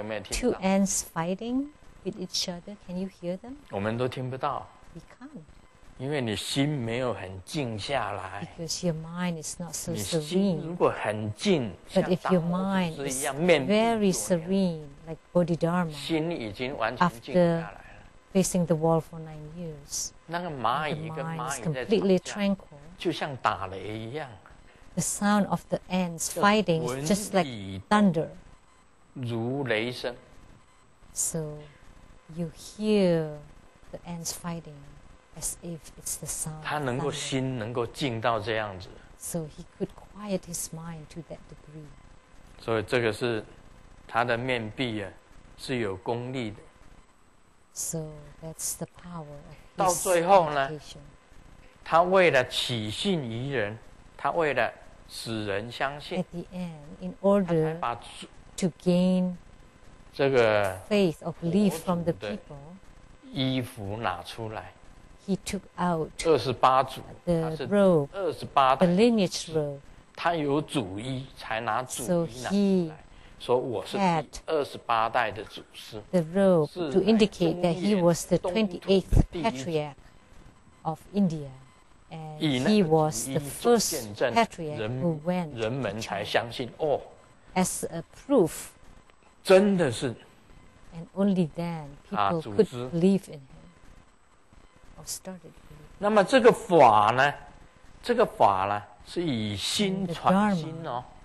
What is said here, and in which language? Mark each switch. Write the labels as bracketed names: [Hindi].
[English] Two ants fighting with each other, can you hear them? We can't. [Chinese] 因为你心没有很静下来 [English] Because your mind is not so serene [Chinese] 你心如果很静 [English] But if your mind is very serene Like Bodhidharma [Chinese] 心已经完全静下来了 [English] After facing the wall for 9 years [Chinese] 那个蚂蚁跟蚂蚁在 [English] completely tranquil [Chinese] 就像打雷一样 [English] The sound of the ants fighting is just like thunder [Chinese] 如雷声 [English] So you hear the ants fightingAs if it's the sound. [Chinese] 他能够心能够静到这样子。 [English] So he could quiet his mind to that degree. [Chinese] 所以这个是他的面壁啊，是有功力的。 [English] So that's the power. [Chinese] 到最后呢， [English] meditation. [Chinese] 他为了起信于人，他为了使人相信。 [English] At the end, in order to gain [Chinese] 这个 [English] faith or belief from the people, [Chinese] 衣服拿出来。 [English] he took out [Chinese] 28祖, [English] the robe, [Chinese] 28代, [English] the lineage robe. [Chinese] 他有主衣, 才拿主衣拿出来, [English] so he [Chinese] 28代的祖师, [English] the robe to indicate that he was the 28th patriarch of India. And he was the first patriarch who went. [Chinese] 人们才相信, oh, [English] as a proof. [Chinese] 真的是, [English] and only then people could believe in him. Or started believing. [Chinese] 那么这个法呢, 这个法呢, 是以心传心哦,